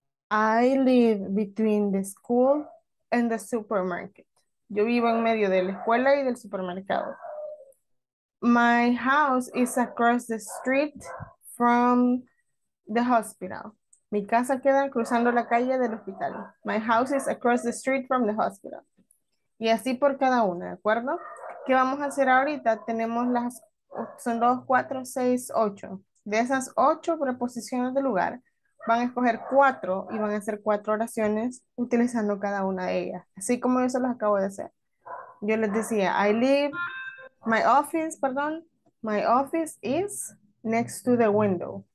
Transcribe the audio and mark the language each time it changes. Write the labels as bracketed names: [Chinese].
[English] I live between the school and the supermarket. [Spanish] Yo vivo en medio de la escuela y del supermercado. [English] My house is across the street from the hospital. [Spanish] Mi casa queda cruzando la calle del hospital. [English] My house is across the street from the hospital. [Spanish] Y así por cada una, ¿de acuerdo? ¿Qué vamos a hacer ahorita? Tenemos las, son dos, cuatro, seis, ocho. De esas ocho preposiciones de lugar, van a escoger cuatro y van a hacer cuatro oraciones utilizando cada una de ellas. Así como yo se los acabo de hacer. Yo les decía, [English] I live. My office, perdón, my office is next to the window.